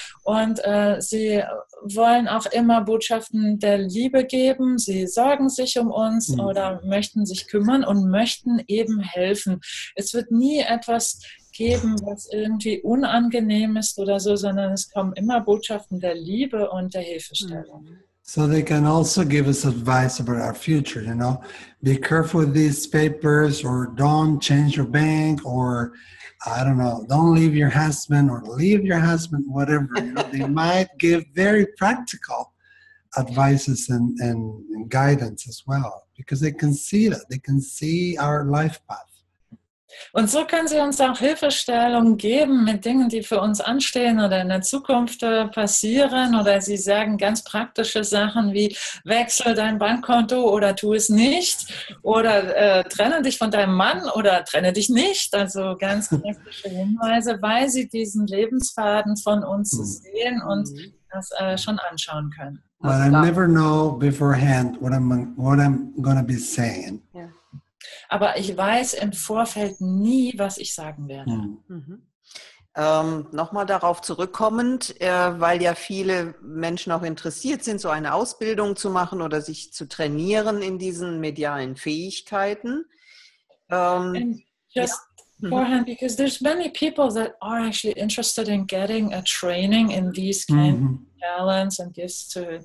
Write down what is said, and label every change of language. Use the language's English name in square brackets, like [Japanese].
[German] Und sie wollen auch immer Botschaften der Liebe geben, sie sorgen sich um uns oder möchten sich kümmern und möchten eben helfen. Es wird nie etwas geben, was irgendwie unangenehm ist oder so, sondern es kommen immer Botschaften der Liebe und der Hilfestellung. [English] So they can also give us advice about our future, you know. Be careful with these papers, or don't change your bank, or I don't know, don't leave your husband, or leave your husband, whatever. You know, they might give very practical advices and guidance as well, because they can see that. They can see our life path. [German] Und so können sie uns auch Hilfestellung geben mit Dingen, die für uns anstehen oder in der Zukunft passieren. Oder sie sagen ganz praktische Sachen wie, wechsel dein Bankkonto oder tu es nicht. Oder trenne dich von deinem Mann oder trenne dich nicht. Also ganz praktische Hinweise, weil sie diesen Lebensfaden von uns sehen und das schon anschauen können. [English] But I never know beforehand what I'm gonna be saying. Yeah. [German] Aber ich weiß im Vorfeld nie, was ich sagen werde. Mhm. Nochmal darauf zurückkommend, weil ja viele Menschen auch interessiert sind, so eine Ausbildung zu machen oder sich zu trainieren in diesen medialen Fähigkeiten. [English] Beforehand, because there's many people that are actually interested in getting a training in these kind of talents and gifts to